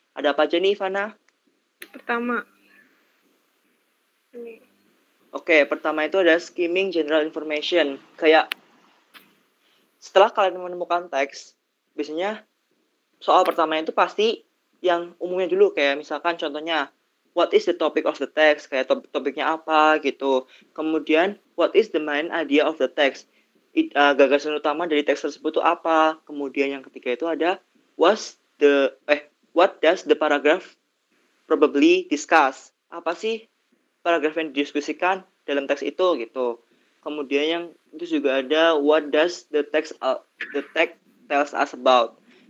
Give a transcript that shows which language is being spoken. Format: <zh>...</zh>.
<id>Ada apa aja nih, Ivana? Pertama. Oke, pertama itu ada</id> <en>skimming general information.</en> <id>Kayak setelah kalian menemukan teks, biasanya soal pertama itu pasti yang umumnya dulu. Kayak misalkan contohnya,</id> <en>what is the topic of the text?</en> <id>Kayak topiknya apa gitu.</id> <en>Kemudian, what is the main idea of the text?</en> <id>Gagasan utama dari teks tersebut itu apa? Kemudian yang ketiga itu ada</id> <en>what does the paragraph probably discuss?</en> <id>Apa sih paragraf yang didiskusikan dalam teks itu gitu. Kemudian yang itu juga ada</id> <en>what does the text tells us about?</en>